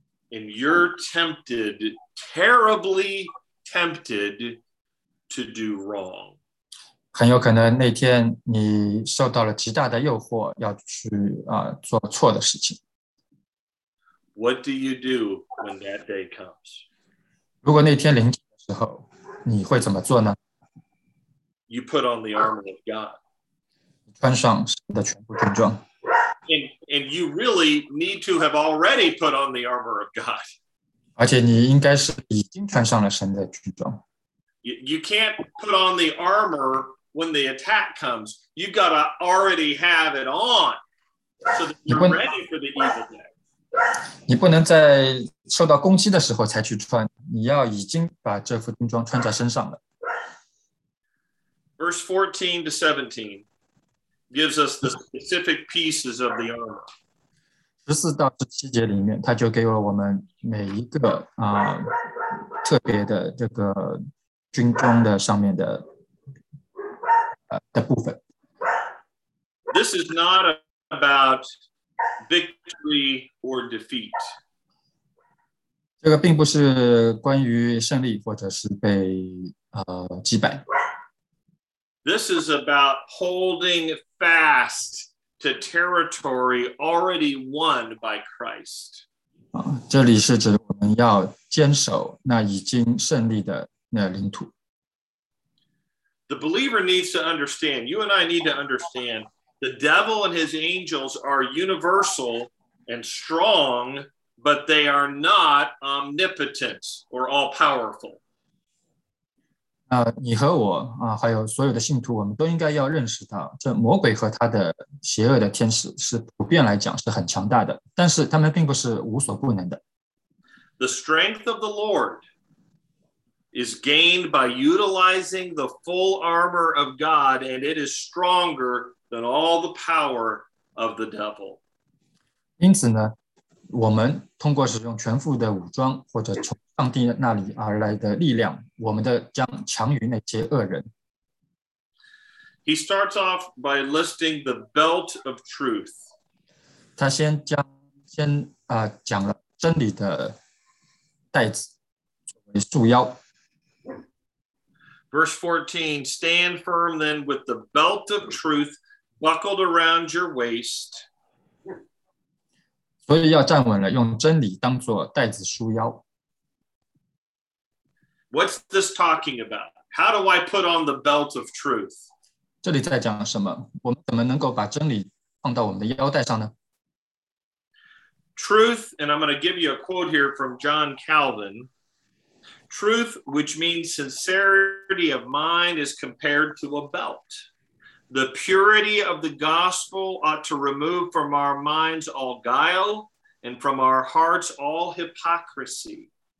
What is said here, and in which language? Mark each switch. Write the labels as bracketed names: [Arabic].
[English] And you're tempted, terribly tempted to do wrong. [Chinese] 很有可能那天你受到了极大的诱惑要去做错的事情。 [English] What do you do when that day comes? [Chinese] 如果那天临近的时候你会怎么做呢？ [English] You put on the armor of God. [Chinese] 穿上神的全部军装。 [English] And you really need to have already put on the armor of God. [Chinese] 而且你应该是已经穿上了神的军装。 [English] You can't put on the armor when the attack comes. You've got to already have it on so that you're ready for the evil day. [Chinese] 你不能在受到攻击的时候才去穿，你要已经把这副军装穿在身上了。 [English] Verse 14 to 17. Gives us the specific pieces of the armor. [Chinese] 十四到十七节里面，他就给了我们每一个特别的这个军装的上面的部分。 [English] This is not about victory or defeat. [Chinese] 这个并不是关于胜利或者是被击败。 [English] This is about holding fast to territory already won by Christ. [Chinese] 这里是指我们要坚守那已经胜利的那领土。 [English] The believer needs to understand, you and I need to understand, the devil and his angels are universal and strong, but they are not omnipotent or all-powerful. [Chinese] 你和我还有所有的信徒，我们都应该要认识到，这魔鬼和他的邪恶的天使是普遍来讲是很强大的，但是他们并不是无所不能的。 [English] The strength of the Lord is gained by utilizing the full armor of God, and it is stronger than all the power of the devil. [Chinese] 因此呢，我们通过使用全副的武装或者从上帝那里而来的力量，我们的将强于那些恶人。 [English] He starts off by listing the belt of truth. [Chinese] 他先讲了真理的带子作为束腰。 [English] Verse 14, stand firm then with the belt of truth buckled around your waist. [Chinese] 所以要站稳了，用真理当作带子束腰。 [English] What's this talking about? How do I put on the belt of truth? [Chinese] 这里在讲什么？我们怎么能够把真理放到我们的腰带上呢？ [English] Truth, and I'm going to give you a quote here from John Calvin. Truth, which means sincerity of mind, is compared to a belt. The purity of the gospel ought to remove from our minds all guile and from our hearts all hypocrisy.